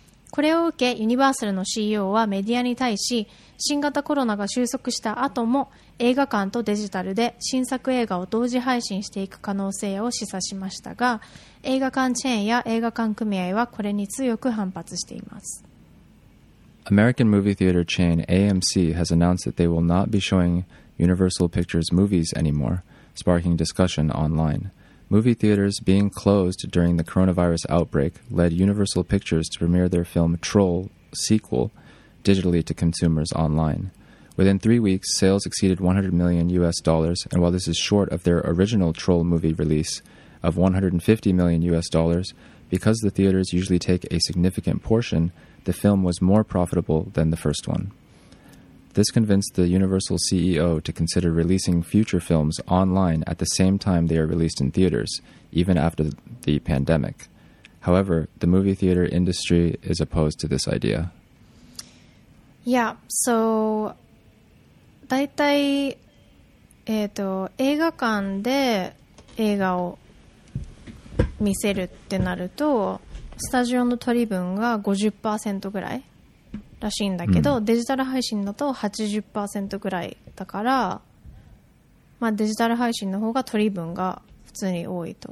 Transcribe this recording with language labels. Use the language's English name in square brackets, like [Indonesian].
[Japanese] これを受けユニバーサルの CEO はメディアに対し、新型コロナが収束した後も映画館とデジタルで新作映画を同時配信していく可能性を示唆しましたが、映画館チェーンや映画館組合はこれに強く反発しています。 [English] American movie theater chain AMC has announced that they will not be showing Universal Pictures movies anymore, sparking discussion online. Movie theaters being closed during the coronavirus outbreak led Universal Pictures to premiere their film Troll sequel digitally to consumers online. Within 3 weeks, sales exceeded $100 million, and while this is short of their original Troll movie release of $150 million, because the theaters usually take a significant portion, the film was more profitable than the first one. This convinced the Universal CEO to consider releasing future films online at the same time they are released in theaters, even after the pandemic. However, the movie theater industry is opposed to this idea. Yeah, so... [Japanese] だいたい映画館で映画を見せるってなるとスタジオの取り分が 50% ぐらいらしいんだけど、うん、デジタル配信だと 80% ぐらいだから、まあ、デジタル配信の方が取り分が普通に多いと、